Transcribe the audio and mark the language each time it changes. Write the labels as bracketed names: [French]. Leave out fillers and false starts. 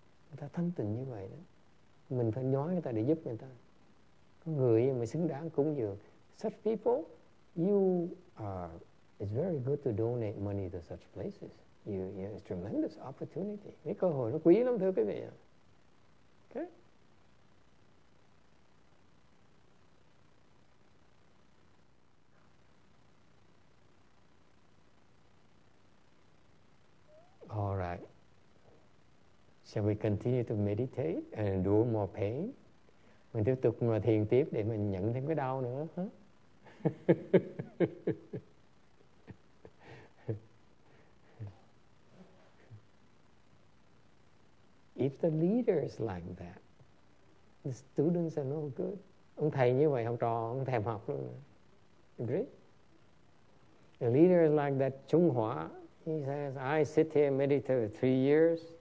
[Vietnamese] Người ta thân tình như vậy đó. Mình phải nói người ta để giúp người ta. Có người mà xứng đáng cúng dường. [English] Such people, it's very good to donate money to such places. It's a tremendous opportunity. [Vietnamese] Cái cơ hội nó quý lắm thưa quý vị. [English] Okay. All right. Shall we continue to meditate and endure more pain? [Vietnamese] Mình tiếp tục mà thiền tiếp để mình nhận thêm cái đau nữa. Huh? [English] If the leader is like that, the students are no good. [Vietnamese] Ông thầy như vậy, học trò không thèm học luôn. [English] Agree? The leader is like that, Trung Hoa. He says, I sit here and meditate for 3 years.